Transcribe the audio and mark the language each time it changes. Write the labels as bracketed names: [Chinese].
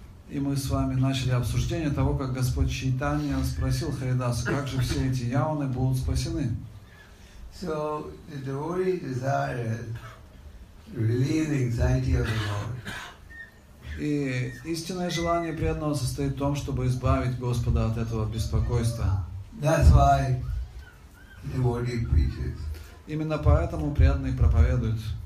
[Russian] И мы с вами начали обсуждение того, как Господь Чайтанья спросил Харидас, как же все эти явны будут спасены. [English] So, the devotee desired to relieve the anxiety of the Lord. [Russian] И истинное желание преданного состоит в том, чтобы избавить Господа от этого беспокойства. [English] That's why the devotee preaches. [Russian] Именно поэтому преданный проповедует.